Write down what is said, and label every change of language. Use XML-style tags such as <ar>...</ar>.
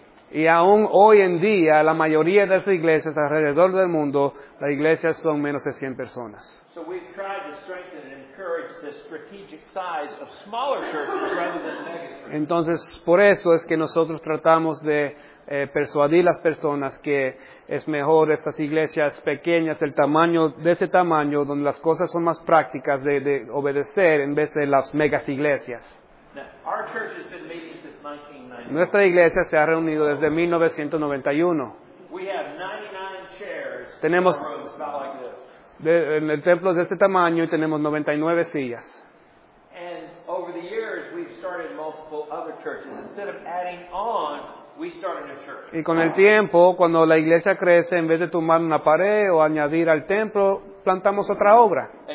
<es>Y aún hoy en día, la mayoría de las iglesias alrededor del mundo, las iglesias son menos de 100 personas.</es> <en>So we've tried to strengthen and encourage the strategic size of smaller churches rather than megachurches.</en> <es>Entonces, por eso es que nosotros tratamos de persuadir a las personas que es mejor estas iglesias pequeñas, el tamaño de ese tamaño, donde las cosas son más prácticas de obedecer en vez de las megas iglesias.</es> <en>Now, our church has been meeting since 1990.</en> <es>Nuestra iglesia se ha reunido desde 1991.</es> <en>We have 99 chairs.</en> <es>Tenemos en el templo de este tamaño y tenemos 99 sillas.</es> <en>And over the years we've started multiple other churches instead of adding on. We started a church.</en> <es>Y con el tiempo, cuando la iglesia crece, en vez de tomar una pared o añadir al templo, plantamos otra obra.</es>